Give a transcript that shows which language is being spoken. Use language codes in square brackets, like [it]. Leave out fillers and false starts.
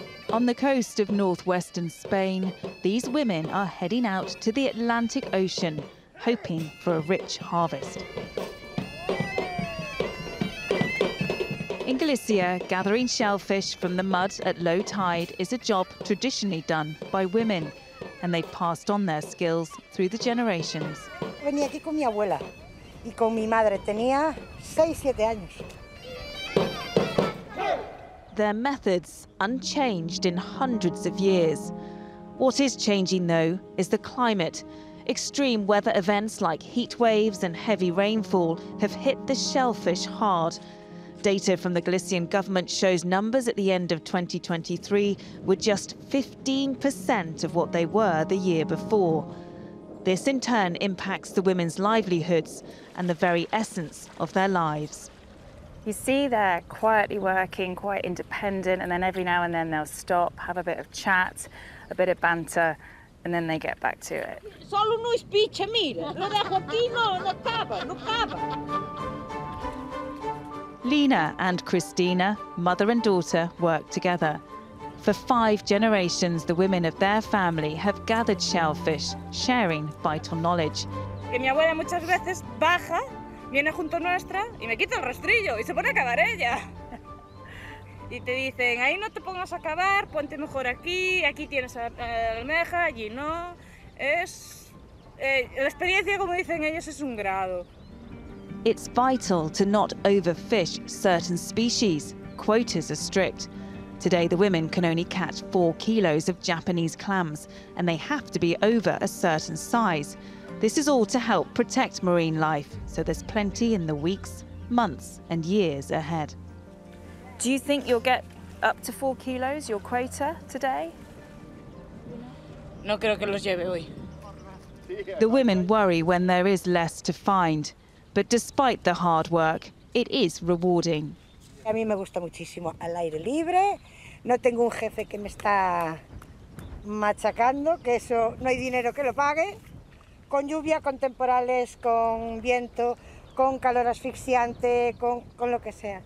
[en] On the coast of northwestern Spain, these women are heading out to the Atlantic Ocean, hoping for a rich harvest. In Galicia, gathering shellfish from the mud at low tide is a job traditionally done by women, and they've passed on their skills through the generations. [es] Venía aquí con mi abuela y con mi madre. Tenía 6-7 años. [en] Their methods unchanged in hundreds of years. What is changing, though, is the climate. Extreme weather events like heat waves and heavy rainfall have hit the shellfish hard. Data from the Galician government shows numbers at the end of 2023 were just 15% of what they were the year before. This in turn impacts the women's livelihoods and the very essence of their lives. You see they're quietly working, quite independent, and then every now and then they'll stop, have a bit of chat, a bit of banter, and then they get back to it. [es] Solo uno spiccia, mira. Lo dejo aquí, no, no cava, no cava. [en] Lina and Cristina, mother and daughter, work together. For 5 generations, the women of their family have gathered shellfish, sharing vital knowledge. [es] Que mi abuela muchas veces baja, viene junto nuestra y me quita el rastrillo y se pone a cavar ella. Y te dicen, ahí no te pongas a cavar, ponte mejor aquí, aquí tienes almeja, allí no. Es la experiencia, como dicen ellos, es un grado. [en] It's vital to not overfish certain species. Quotas are strict. Today, the women can only catch 4 kilos of Japanese clams, and they have to be over a certain size. This is all to help protect marine life, so there's plenty in the weeks, months, and years ahead. Do you think you'll get up to 4 kilos, your quota, today? [es] No creo que los lleve hoy. [en] The women worry when there is less to find. But despite the hard work, it is rewarding. [es] A mí me gusta muchísimo al aire libre. No tengo un jefe que me está machacando, que eso no hay dinero que lo pague. Con lluvia, con temporales, con viento, con calor asfixiante, con lo que sea.